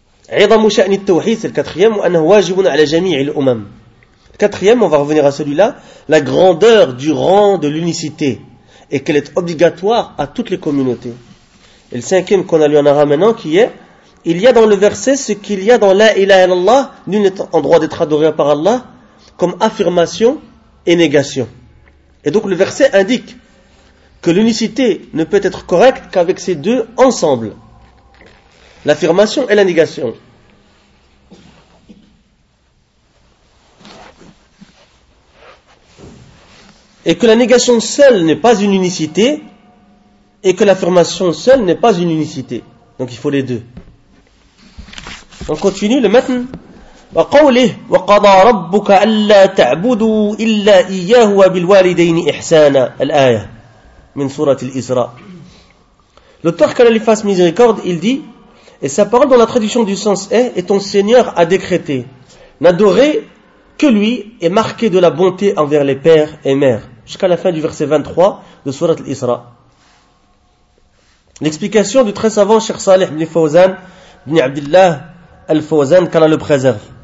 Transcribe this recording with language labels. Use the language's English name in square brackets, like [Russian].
[Arabic] عظم شأن التوحيد, [French] c'est le quatrième, [Arabic] وأنه واجب على جميع الأمم. [French] Quatrième, on va revenir à celui-là, la grandeur du rang de l'unicité et qu'elle est obligatoire à toutes les communautés. Et le cinquième qu'on a lu en arabe maintenant, qui est, il y a dans le verset ce qu'il y a dans la ilaha illallah, nul n'est en droit d'être adoré par Allah, comme affirmation et négation. Et donc le verset indique que l'unicité ne peut être correcte qu'avec ces deux ensemble, l'affirmation et la négation. Et que la négation seule n'est pas une unicité, et que l'affirmation seule n'est pas une unicité. Donc il faut les deux. On continue le matin. [Arabic] وقوله وقضى ربك ألا تعبدوا إلا إياه وبالوالدين إحسانا الآية من سورة الإسراء. [French] L'auteur qu'Allah lui fasse miséricorde, il dit, et sa parole dans la traduction du sens est, et ton Seigneur a décrété, n'adorez que lui et marquez de la bonté envers les pères et mères. Jusqu'à la fin du verset 23 de Sourate al-Isra. L'explication du très savant Cheikh Salih ibn Fawzan, ibn Abdullah al-Fawzan, qu'Allah le préserve.